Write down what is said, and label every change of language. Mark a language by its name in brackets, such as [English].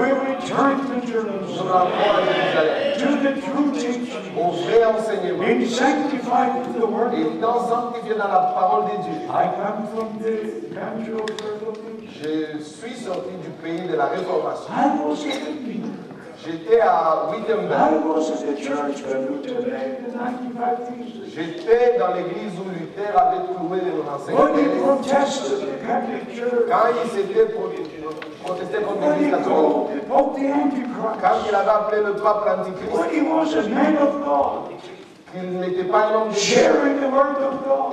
[English] We return to Jerusalem. [French] Nous rentrons à Jérusalem. [English] To the true teaching. [French] Au vrai enseignement. [English] Being sanctified to the word. [French] Et étant sanctifié dans la parole de Dieu. [English] I come from the country of Reformation. [French] Je suis sorti du pays de la Réformation. [English] I was in the king. [French] J'étais à Wittenberg. [English] I was in the church when Luther made the 95 theses. [French] J'étais dans l'église où Luther avait trouvé les enseignements. [English] When he protested the Catholic Church. [French] Quand il s'était protesté contre l'Église catholique. Quand il avait appelé le pape l'Antichrist. [English] When he was a man of God. [French] Qu'il n'était pas un homme de Dieu. [English] Sharing the word of God.